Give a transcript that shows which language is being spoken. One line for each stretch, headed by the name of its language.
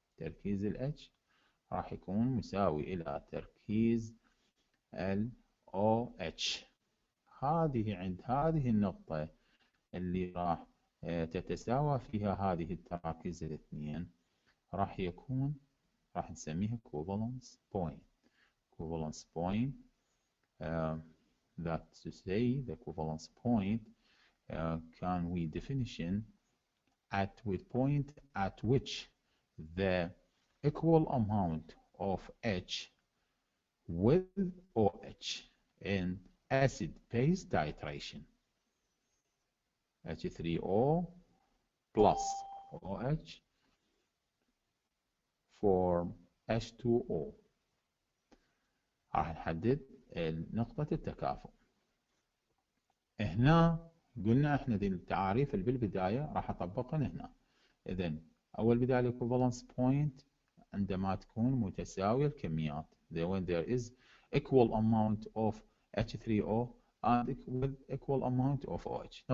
Arabic: تركيز الـ H راح يكون مساوي إلى تركيز الـ OH. هذه عند هذه النقطة اللي راح تتساوى فيها هذه التراكيز الاثنين راح يكون، راح نسميها equivalence point.
English: Equivalence point that to say the equivalence point can we definition at with point at which the equal amount of H with OH in acid base titration. H3O plus OH form H2O.
Arabic: راح نحدد نقطة التكافؤ. هنا قلنا احنا دي التعاريف اللي بالبداية راح اطبقها هنا. اذا اول بداية equivalence point عندما تكون متساوية الكميات.
English: The when there is equal amount of H3O and with equal amount of OH.